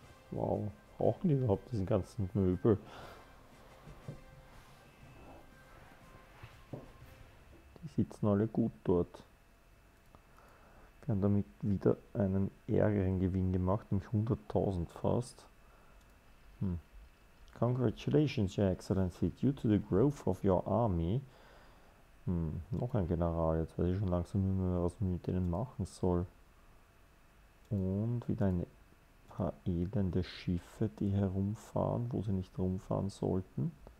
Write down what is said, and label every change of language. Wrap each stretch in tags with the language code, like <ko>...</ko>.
<de>Wow, brauchen die überhaupt diesen ganzen Möbel? Die sitzen alle gut dort. Wir haben damit wieder einen ärgeren Gewinn gemacht, nämlich 100.000 fast.</de> <en>Congratulations, Your Excellency, due to the growth of your army.</en> <de>Noch ein General, jetzt weiß ich schon langsam nicht mehr, was man mit denen machen soll. Und wieder ein paar elende Schiffe, die herumfahren, wo sie nicht herumfahren sollten.</de>